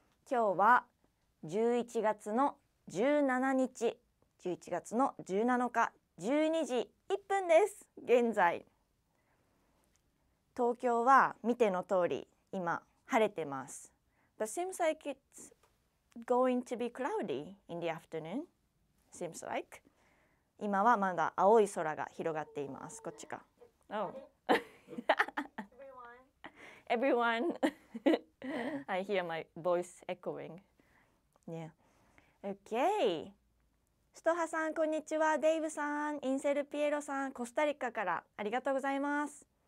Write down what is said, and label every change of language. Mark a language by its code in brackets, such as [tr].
[ja] 今日は11月の17日、11月の17日、12時1分です。現在。東京は見ての通り、今晴れてます。 [en] But seems like it's going to be cloudy in the afternoon. Seems like. [ja] 今はまだ青い空が広がっています。こっちか。 [en] Oh. Everyone. I hear my voice echoing. Yeah. Okay. [ja] ストハさん、こんにちは。デイブさん、インセルピエロさん、コスタリカからありがとうございます。